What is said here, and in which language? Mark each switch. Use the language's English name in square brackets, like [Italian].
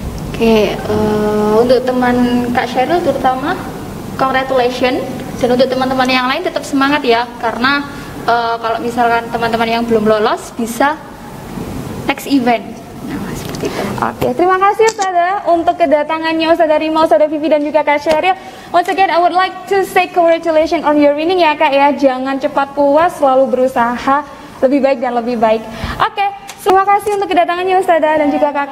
[Indonesian] Oke, untuk teman Kak Cheryl terutama, congratulations. Dan untuk teman-teman yang lain tetap semangat ya, karena kalau misalkan teman-teman yang belum lolos bisa next event. Oke, terima kasih Ustada untuk kedatangannya Ustada Rima, Ustada Vivi dan juga Kak Cheryl. [English] Once again, I would like to say congratulations on your winning ya Kak ya. [Indonesian] Jangan cepat puas, selalu berusaha lebih baik dan lebih baik. Oke, terima kasih untuk kedatangannya Ustada dan juga Kakak.